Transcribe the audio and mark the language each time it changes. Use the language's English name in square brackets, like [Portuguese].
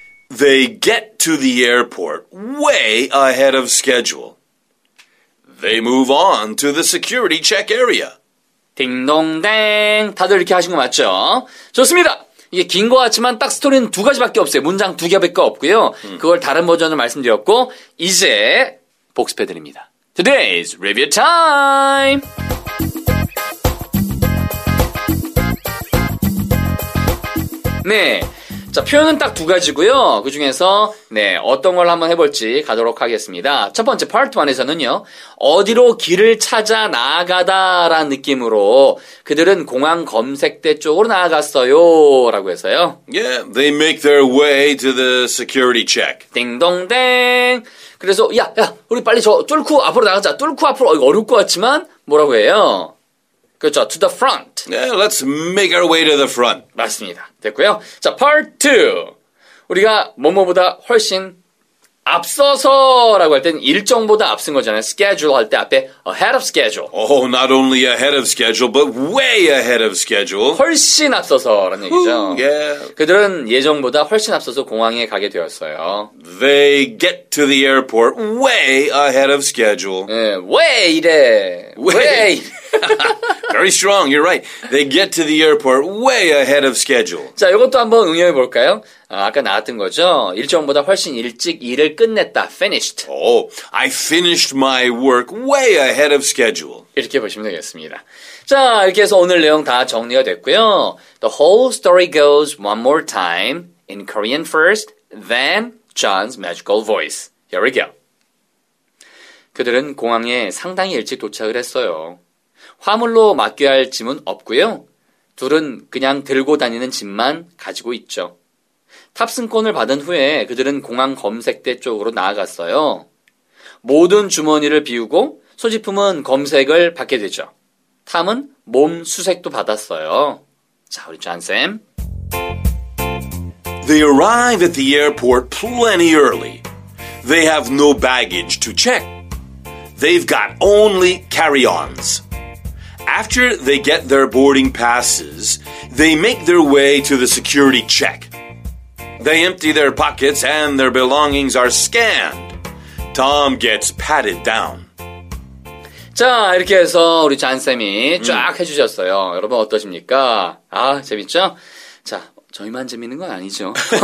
[English] They get to the airport way ahead of schedule. They move on to the security check area. [Korean] 딩동댕. 다들 이렇게 하신 거 맞죠? 좋습니다. 이게 긴 것 같지만 딱 스토리는 두 가지밖에 없어요. 문장 두 개밖에 없고요. 그걸 다른 버전으로 말씀드렸고 이제 복습해드립니다. [English] Today's review time! [Korean] 네, 자 표현은 딱 두 가지고요. 그중에서 네 어떤 걸 한번 해볼지 가도록 하겠습니다. 첫 번째 파트 1에서는요. 어디로 길을 찾아 나아가다라는 느낌으로 그들은 공항 검색대 쪽으로 나아갔어요. 라고 해서요. [English] Yeah, they make their way to the security check. [Korean] 딩동댕. 그래서 야, 우리 빨리 저 뚫고 앞으로 나가자. 뚫고 앞으로 어려울 것 같지만 뭐라고 해요? 그렇죠. [English] To the front. Yeah, let's make our way to the front. [Korean] 맞습니다. 됐고요. 자, part 2. 우리가 뭐뭐보다 훨씬 앞서서라고 할 때는 일정보다 앞선 거잖아요. [English] Schedule [Korean] 할 때 앞에 [English] ahead of schedule. Oh, not only ahead of schedule, but way ahead of schedule. [Korean] 훨씬 앞서서라는 얘기죠. [English] Yeah. [Korean] 그들은 예정보다 훨씬 앞서서 공항에 가게 되었어요. [English] They get to the airport way ahead of schedule. [Korean] 네, way 이래. Way. [English] Very strong. You're right. They get to the airport way ahead of schedule. [Korean] 자, 이것도 한번 응용해 볼까요? 아, 아까 나왔던 거죠. 일정보다 훨씬 일찍 일을 끝냈다. [English] Finished. Oh, I finished my work way ahead of schedule. [Korean] 이렇게 보시면 되겠습니다. 자, 이렇게 해서 오늘 내용 다 정리가 됐고요. [English] The whole story goes one more time in Korean first, then John's magical voice. Here we go. [Korean] 그들은 공항에 상당히 일찍 도착을 했어요. 화물로 맡겨야 할 짐은 없고요. 둘은 그냥 들고 다니는 짐만 가지고 있죠. 탑승권을 받은 후에 그들은 공항 검색대 쪽으로 나아갔어요. 모든 주머니를 비우고 소지품은 검색을 받게 되죠. 탐은 몸 수색도 받았어요. 자, 우리 잔쌤. [English] They arrive at the airport plenty early. They have no baggage to check. They've got only carry-ons. After they get their boarding passes, they make their way to the security check. They empty their pockets and their belongings are scanned. Tom gets patted down. [Korean] 자, 이렇게 해서 우리 잔쌤이 쫙 해주셨어요. 여러분 어떠십니까? 아, 재밌죠? 자, 저희만 재밌는 건 아니죠.